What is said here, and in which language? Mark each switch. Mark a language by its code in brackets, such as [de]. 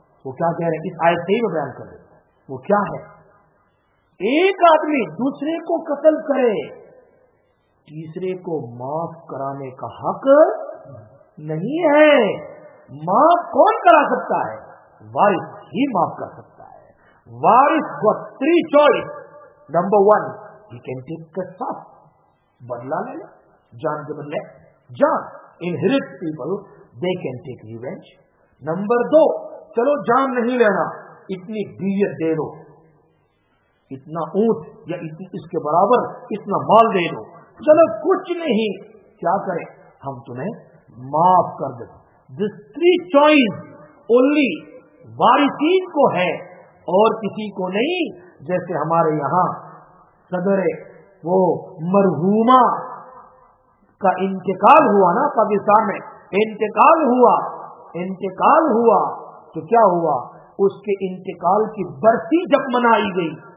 [ur] وہ کیا کہہ رہے ہیں؟ اس آیت سے ہی میں بیان کر رہے ہیں. وہ کیا ہے؟ ایک آدمی دوسرے کو قتل کرے, تیسرے کو معاف کرانے کا حق نہیں ہے. معاف کون کرا سکتا ہے؟ وارث ہی معاف کر سکتا ہے. وارث کو 3 choices. [en] number one, he can take [ur] قصاص, بدلہ لے لے, جان کے بدلے جان. [en] Inherit people they can take revenge. [ur] Number دو, چلو جان نہیں لینا, اتنی دیت دے دو, اتنا اونٹ یا اس کے برابر اتنا مال دے دو. چلو کچھ نہیں کیا کریں, ہم تمہیں معاف کر دیں. [en] this three choice only [ur] وارثین کو ہے اور کسی کو نہیں. جیسے ہمارے یہاں صدر وہ مرحومہ کا انتقال ہوا نا پاکستان میں, انتقال ہوا تو کیا ہوا, اس کے انتقال کی برسی جب منائی گئی.